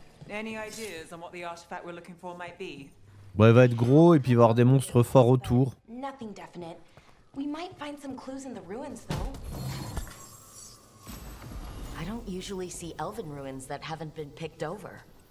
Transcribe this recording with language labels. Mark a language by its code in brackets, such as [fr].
[en] Any ideas on what the artifact we're looking for might be? [fr] Bon, il va être gros et puis il va y avoir des monstres forts autour. [en] Nothing definite. We might find some clues in the ruins though. I don't usually see elven ruins that haven't been picked over.